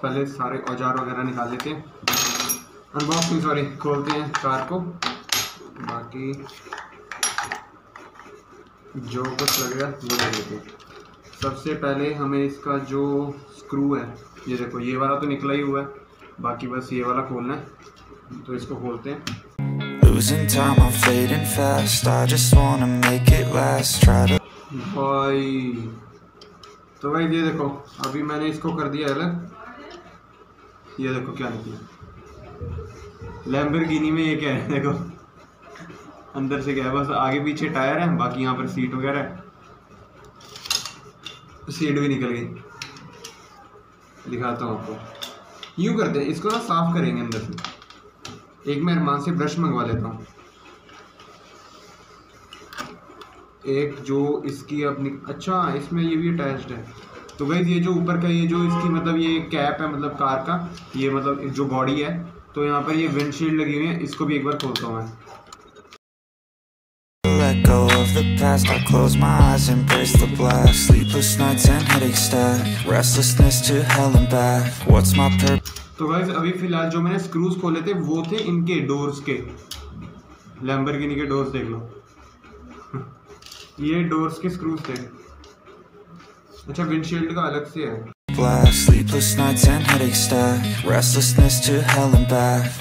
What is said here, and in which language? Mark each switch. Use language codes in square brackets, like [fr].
[hi] पहले सारे औजार वगैरह निकाल लेते हैं, अनबॉक्सिंग सॉरी, खोलते हैं कार को। बाकी जो कुछ लगेगा वो ले लेते हैं। सबसे पहले हमें इसका जो स्क्रू है, ये देखो ये वाला तो निकला ही हुआ है, बाकी बस ये वाला खोलना है, तो इसको खोलते हैं। [en] Losing time, I'm fading fast. I just wanna make it last. Try to... [hi] भाई तो भाई ये देखो, अभी मैंने इसको कर दिया अलग, ये देखो क्या निकला। लैम्बोर्गिनी में ये क्या है देखो, अंदर से क्या है, बस आगे पीछे टायर है, बाकी यहाँ पर सीट वगैरह है, सीट भी निकल गई। दिखाता हूँ आपको, यूँ करते हैं इसको ना साफ करेंगे अंदर से। एक मैं अरमान से ब्रश मंगवा लेता हूँ, एक जो इसकी अपनी, अच्छा इसमें ये भी अटैच्ड है। तो गाइस ये जो ऊपर का ये जो इसकी मतलब ये कैप है मतलब कार का, ये मतलब जो बॉडी है, तो यहाँ पर ये विंडशील्ड लगी हुई है, इसको भी एक बार खोलता हूँ मैं। [en] The past, I close my eyes, embrace the blast. Sleepless nights and headache stack. Restlessness to hell and back. What's my purpose? [hi] तो गाइस अभी फिलहाल जो मैंने स्क्रूज खोले थे वो थे इनके डोर्स के, लैम्बोर्गिनी के डोर्स देख लो। ये डोर्स के स्क्रूज थे, अच्छा विंडशील्ड का अलग से है। [en] Sleepless nights and headache stack. Restlessness to hell and back.